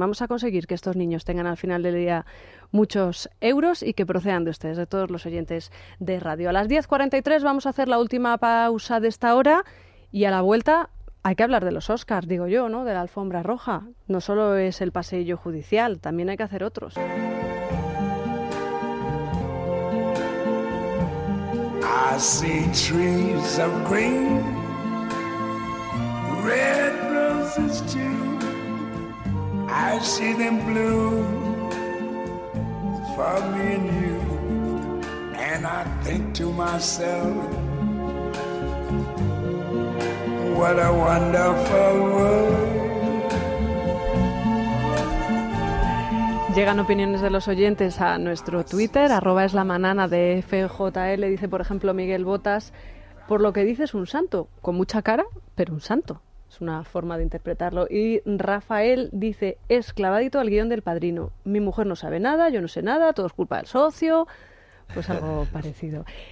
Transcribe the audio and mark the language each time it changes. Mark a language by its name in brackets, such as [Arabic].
[Spanish] Vamos a conseguir que estos niños tengan al final del día muchos euros y que procedan de ustedes, de todos los oyentes de radio. A las 10:43 vamos a hacer la última pausa de esta hora y a la vuelta hay que hablar de los Oscars, digo yo, ¿no? De la alfombra roja. No solo es el paseillo judicial, también hay que hacer otros. [English] I see trees of green, red roses too. I see them bloom for me and you. And I think to myself, what a wonderful world. [Spanish] Llegan opiniones de los oyentes a nuestro Twitter, arroba es la manana de FJL, dice por ejemplo Miguel Botas, por lo que dices un santo, con mucha cara, pero un santo, es una forma de interpretarlo. Y Rafael dice, es clavadito al guión del Padrino, mi mujer no sabe nada, yo no sé nada, todo es culpa del socio, pues algo parecido.